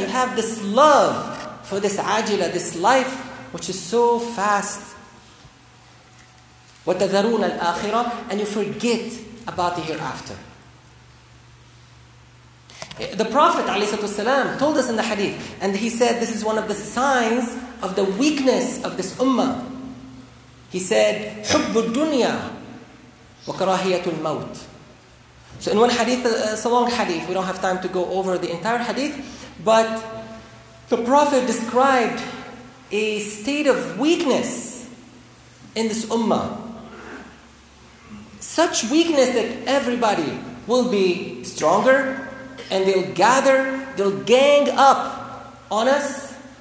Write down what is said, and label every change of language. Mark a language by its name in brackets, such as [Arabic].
[English] You have this love for this ajila, this life, which is so fast. [Arabic] وَتَذَرُونَ الْآخِرَةَ. [English] And you forget about the hereafter. The Prophet ﷺ told us in the hadith, and he said this is one of the signs of the weakness of this ummah. He said, [Arabic] حُبُّ الدُّنْيَا وَكَرَاهِيَةُ الْمَوْتِ. [English] So in one hadith, it's a long hadith, we don't have time to go over the entire hadith, but the Prophet described a state of weakness in this ummah. Such weakness that everybody will be stronger and they'll gather, they'll gang up on us.